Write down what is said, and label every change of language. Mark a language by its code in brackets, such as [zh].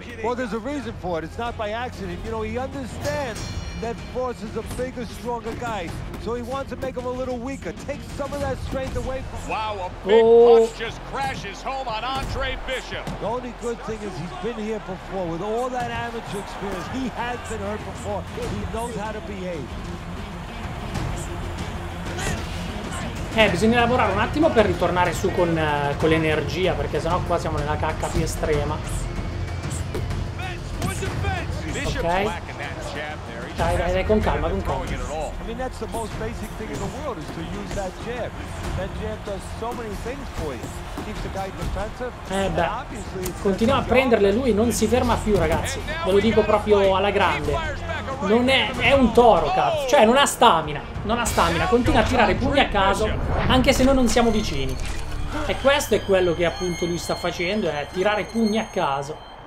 [en] Well, there's a reason for it. It's not by accident. You know, he understands that Frost is a bigger, stronger guy. So he wants to make him a little weaker. Take some of that strength away from him. Wow, a big punch just crashes home on Andre Bishop. The only good thing is he's been here before. With all that amateur experience, he has been hurt before. He knows how to behave. [it] Bisogna lavorare un attimo per ritornare su con l'energia, perché sennò qua siamo nella cacca più estrema. Ok. Dai, dai, dai, con calma, con calma. [en] I mean, that's the most basic thing in the world, is to use that jab. That jab does so many things for you. Keeps the guy defensive. [it] Beh, continua a prenderle lui, non si ferma più, ragazzi. Ve lo dico proprio alla grande. Non è, è un toro, cazzo. Cioè, non ha stamina. Non ha stamina. Continua a tirare pugni a caso, anche se noi non siamo vicini. E questo è quello che appunto lui sta facendo, è tirare pugni a caso.